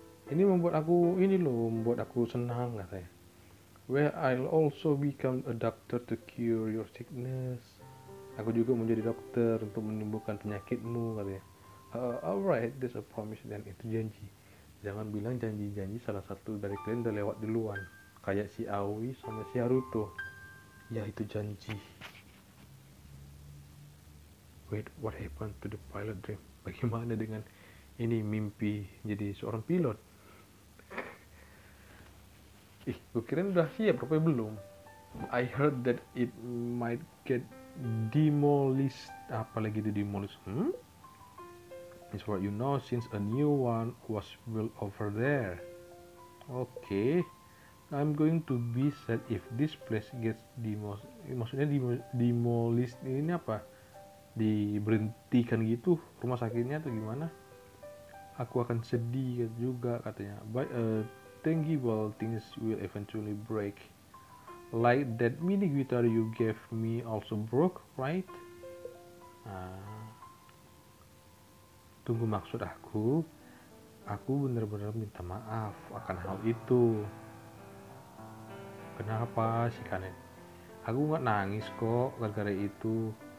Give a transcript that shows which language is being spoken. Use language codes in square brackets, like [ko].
[id] Ini membuat aku, ini loh, membuat aku senang, katanya. [en] Well, I'll also become a doctor to cure your sickness. [id] Aku juga menjadi dokter untuk menyembuhkan penyakitmu, katanya. [en] Alright, there's a promise, [id] dan itu janji. Jangan bilang janji-janji salah satu dari kalian udah lewat duluan. Kayak si Aoi sama si Haruto. Ya, itu janji. [en] Wait, what happened to the pilot dream? [id] Bagaimana dengan ini mimpi jadi seorang pilot? Gue kira udah siap, rupanya belum. [en] I heard that it might get demolished, [id] apalagi itu [en] demolished. It's what you know, since a new one was built over there. Okay, I'm going to be sad if this place gets demolished. [id] Maksudnya demolished ini apa? Diberhentikan gitu rumah sakitnya atau gimana? aku akan sedih juga katanya. [en] But tangible things will eventually break. Like that mini guitar you gave me also broke, right? [id] Tunggu maksud aku benar-benar minta maaf akan hal itu. Kenapa sih Kanet? Aku nggak nangis kok gara-gara itu.